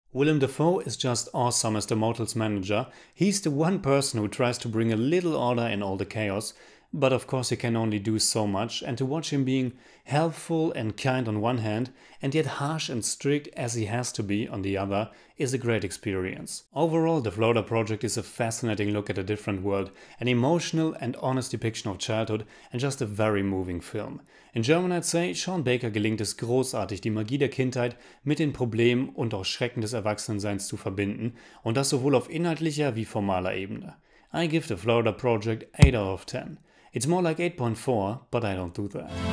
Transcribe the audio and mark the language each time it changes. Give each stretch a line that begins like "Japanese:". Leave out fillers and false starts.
English: Willem Dafoe is just awesome as the motel's manager. He's the one person who tries to bring a little order in all the chaos, but of course he can only do so much, and to watch him being helpful and kind on one hand, and yet harsh and strict as he has to be on the other, is a great experience. Overall, The Florida Project is a fascinating look at a different world, an emotional and honest depiction of childhood, and just a very moving film. In German I'd say,
German: Sean Baker gelingt es großartig, die Magie der Kindheit mit den Problemen und auch Schrecken des Erwachsenenseins zu verbinden, und das sowohl auf inhaltlicher wie formaler Ebene.
English: I give The Florida Project 8 out of 10. It's more like 8.4, but I don't do that.